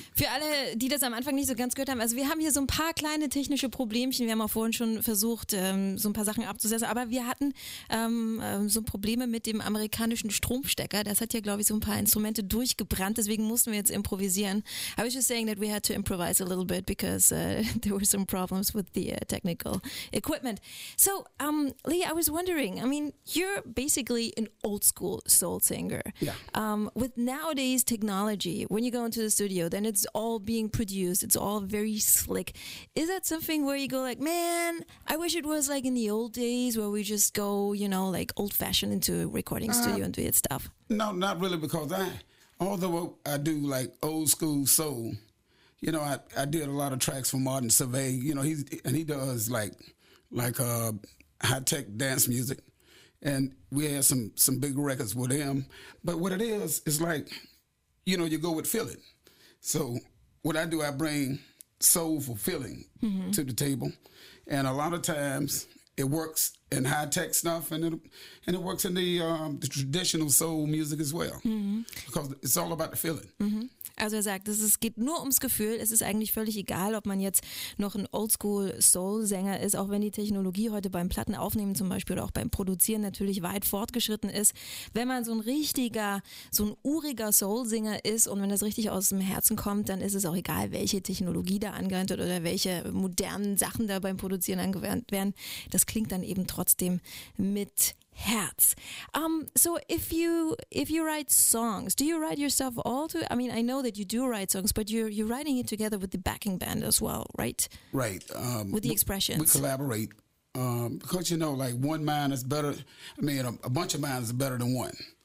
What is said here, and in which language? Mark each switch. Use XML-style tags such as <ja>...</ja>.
<de>Für alle, die das am Anfang nicht so ganz gehört haben, also wir haben hier so ein paar kleine technische Problemchen. Wir haben auch vorhin schon versucht, so ein paar Sachen abzusetzen, aber wir hatten so Probleme mit dem amerikanischen Stromstecker. Das hat ja, glaube ich, so ein paar Instrumente durchgebrannt, deswegen mussten wir jetzt improvisieren.</de> <en>I was just saying that we had to improvise a little bit because there were some problems with the technical equipment. So, Lee, I was wondering, I mean, you're basically an old school soul singer. Yeah. With nowadays technology, when you go into the studio, then it's all being produced, it's all very slick. Is that something where you go like, man, I wish it was like in the old days where we just go, you know, like old fashioned into a recording studio and do it stuff? No, not really, because although I do like old school soul, you know, I did a lot of tracks for Martin Survey, you know, he does like high tech dance music. And we had some big records with them. But what it is like, you know, you go with feeling. So what I do, I bring soulful feeling to the table. And a lot of times it works in high tech stuff, and it works in the traditional soul music as well. Mm-hmm. Because it's all about the feeling. Mm-hmm.</en> <de>Also er sagt, es geht nur ums Gefühl. Es ist eigentlich völlig egal, ob man jetzt noch ein Oldschool-Soul-Sänger ist, auch wenn die Technologie heute beim Plattenaufnehmen zum Beispiel oder auch beim Produzieren natürlich weit fortgeschritten ist. Wenn man so ein uriger Soul-Sänger ist und wenn das richtig aus dem Herzen kommt, dann ist es auch egal, welche Technologie da angewandt wird oder welche modernen Sachen da beim Produzieren angewandt werden. Das klingt dann eben trotzdem mit Herz.</de> <en>So if you write songs, do you write yourself all too? I mean, I know that you do write songs, but you're writing it together with the backing band as well, right? Right. With the expressions. We collaborate. Because, you know, like one mind is better. I mean, a bunch of minds is better than one.</en>